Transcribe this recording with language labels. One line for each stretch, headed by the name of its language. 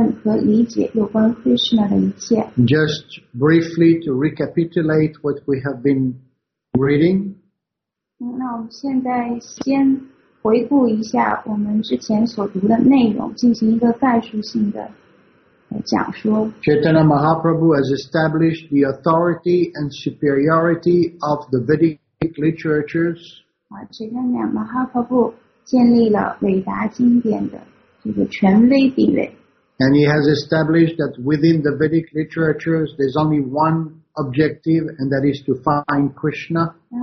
Chinese: 现在呢，就让我们投入到接下来的话题之中，从中去讨论和理解有关Krishna的一切。
English: Just briefly to recapitulate what we have been reading.
Chinese: 那我们现在先回顾一下我们之前所读的内容，进行一个概述性的讲说。
English: Chaitanya Mahaprabhu has established the authority and superiority of the Vedic literatures.
Chinese: 啊，Chaitanya Mahaprabhu建立了伟达经典的这个权威地位。
English: And he has established that within the Vedic literatures, there's only one objective, and that is to find Krishna.